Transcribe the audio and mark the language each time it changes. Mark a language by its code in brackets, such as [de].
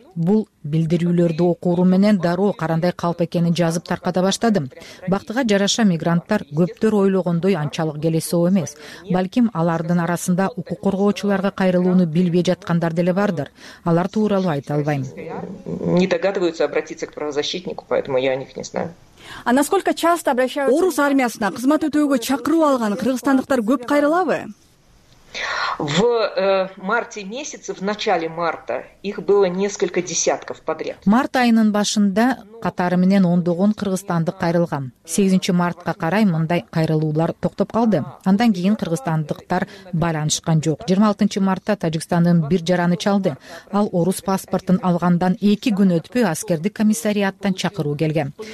[ky] Бул билдирүүлөрдү окууру менен дароо карандай калп экенин жазып тарката баштадым. Бактыга жараша мигранттар көптөр ойлогондой анчалык келесоо эмес. Балким алардын арасында укук коргоочуларга кайрылууну билбей жаткандар деле бардыр. Алар тууралуу айта албайм. [ru] Не догадываются обратиться к правозащитнику, поэтому я о них не знаю. А насколько часто обращаются? [ky] Орус армиясына кызмат өтөөгө чакыруу алган кыргызстандыктар көп кайрылабы? [ru] В марте месяце, в начале марта, их было несколько десятков подряд. [ky] Март айынын башында катары менен ондогон кыргызстандык кайрылган. 8 мартка карай мындай кайрылуулар токтоп калды. Андан кийин кыргызстандыктар байланышкан жок. 26 мартта Тажикстандын бир жараны чалды. Ал орус паспортун алгандан 2 күн өтпөй аскердик комиссариаттан чакыруу келген.